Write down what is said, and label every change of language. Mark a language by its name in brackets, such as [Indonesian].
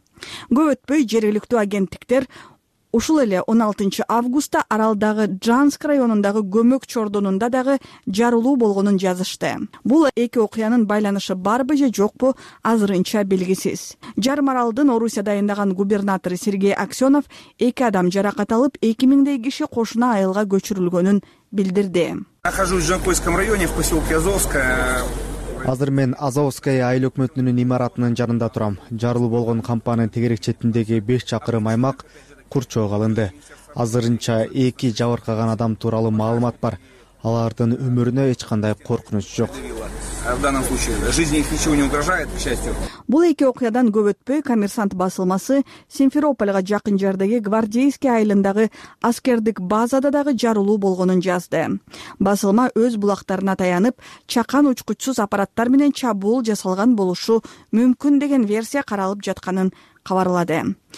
[Kyrgyz] Көп өтпөй жергиликтүү агенттиктер ушул эле 16-августта аралдагы Джанск районундагы көмөк чордонунда дагы жарылуу болгонун жазышты. Бул эки окуянын байланышы барбы же жокпу азырынча белгисиз. Жарым аралдын Орусия дайындаган губернатору Сергей Аксенов эки адам жаракат алып, 2000 киши кошуна айылга көчүрүлгөнүн билдирди. [Russian] Нахожусь в Жанкойском районе в поселке Азовская. [Kyrgyz] Азыр мен Азовская айыл өкмөтүнүн имаратынын жанында турам. Жарылуу болгон кампанын тегерек четиндеги 5 чакырым аймак курчоого алынды. Азырынча 2 жабыркаган адам тууралуу маалымат бар. Алардын өмүрүнө эч кандай коркунуч жок. [Russian] В данном случае жизни их ничего не угрожает, к счастью. [Kyrgyz] Бул эки окуядан көп өтпөй Коммерсант басылмасы Симферополго жакын жердеги Гвардейский айылындагы аскердик базада дагы жарылуу болгонун жазды. Басылма өз булактарына таянып, чакан учкучсуз аппараттар менен чабуул жасалган болушу мүмкүн деген версия каралып жатканын кабарлады.